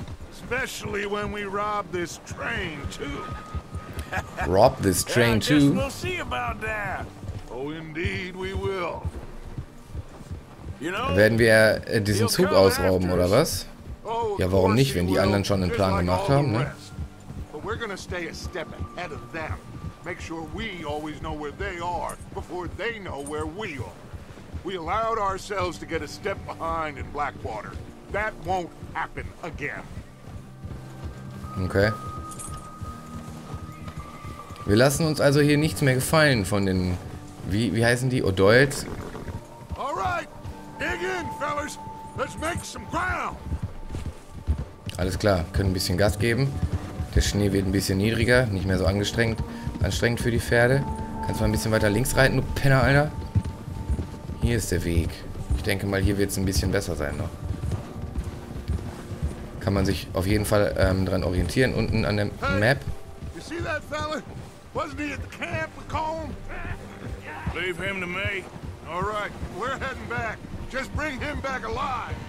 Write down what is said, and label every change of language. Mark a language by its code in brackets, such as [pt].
[en] Especially when we rob this train too. Rob this train too. Yeah, I guess we'll see about that. Oh, indeed we will. You know, [de] werden wir diesen Zug ausrauben oder was? Ja, warum nicht, wenn die anderen schon einen Plan gemacht haben, ne? [en] But we're gonna stay a step ahead of them. Make sure we always know where they are before they know where we are. We allowed ourselves to get a step behind in Blackwater. That won't happen again. Okay. [de] Wir lassen uns also hier nichts mehr gefallen von den... Wie heißen die? O'Doyles? Alright, dig in, fellas. Let's make some ground. Alles klar, können ein bisschen Gas geben. Der Schnee wird ein bisschen niedriger, nicht mehr so anstrengend für die Pferde. Kannst mal ein bisschen weiter links reiten, du Penner, Alter. Hier ist der Weg. Ich denke mal, hier wird es ein bisschen besser sein noch. Kann man sich auf jeden Fall dran orientieren, unten an der Map. [en] You see that fella? Wasn't he at the camp with Colm? Leave him to me. All right, we're heading back. Just bring him back alive.